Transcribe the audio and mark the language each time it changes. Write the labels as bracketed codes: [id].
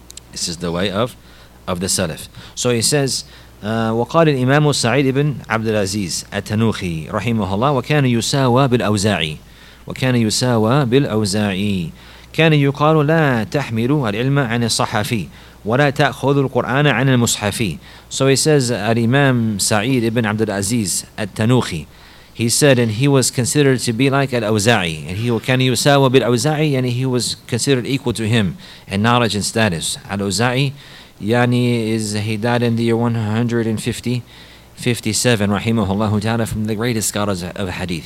[en] This is the way of the Salaf. [ar] So he says, وقال الإمام سعيد بن عبد العزيز التنوخي رحمه الله وكان يساوى بالأوزاعي وكان يساوى بالأوزاعي كان يقال لا تحمل العلم عن الصحفي ولا تأخذ القرآن عن المصحفي. [en] So he says الإمام سعيد بن عبد العزيز التنوخي, he said, and he was considered to be like al-Awza'i, and he [ar] كان يساوى بالأوزاعي, [en] and he was considered equal to him in knowledge and status. Al-Awza'i, Yani, is he died in the year 157, rahimahullah ta'ala, from the greatest scholars of hadith.